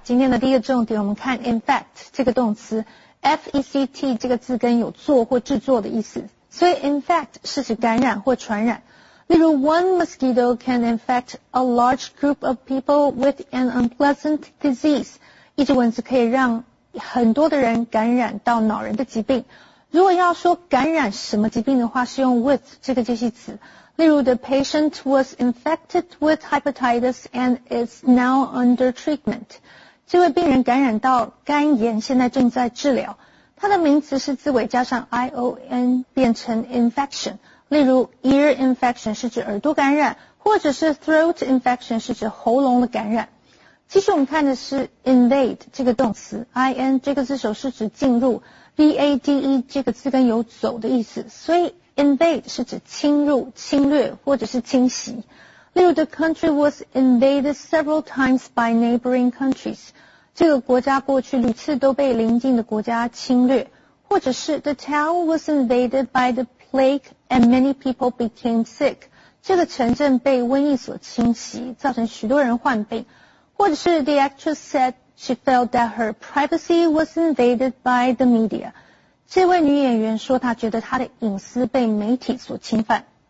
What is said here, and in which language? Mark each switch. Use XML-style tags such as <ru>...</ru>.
<zh>今天的第一个重点我们看 infect 这个动词 F-E-C-T 这个字根有做或制作的意思。所以 infect 是指感染或传染。例如</zh> <en>one mosquito can infect a large group of people with an unpleasant disease.</en> <zh>一只蚊子可以让很多的人感染到恼人的疾病。如果要说感染什么疾病的话是用 with 这个介系词。例如</zh> <en>the patient was infected with hepatitis and is now under treatment.</en> <zh>这位病人感染到肝炎现在正在治疗。它的名词是字尾加上 ion 变成 infection。例如 ear infection 是指耳朵感染或者是 throat infection 是指喉咙的感染。其实我们看的是 invade 这个动词 ,in 这个字首是指进入 ,vade 这个字根有走的意思。所以 invade 是指侵入侵略或者是侵袭。例如</zh> <en>the country was invaded several times by neighboring countries.</en> <zh>这个国家过去屡次都被邻近的国家侵略。或者是</zh> <en>the town was invaded by the plague and many people became sick.</en> <zh>这个城镇被瘟疫所侵袭造成许多人患病。或者是</zh> <en>the actress said she felt that her privacy was invaded by the media.</en> <zh>这位女演员说她觉得她的隐私被媒体所侵犯。</zh>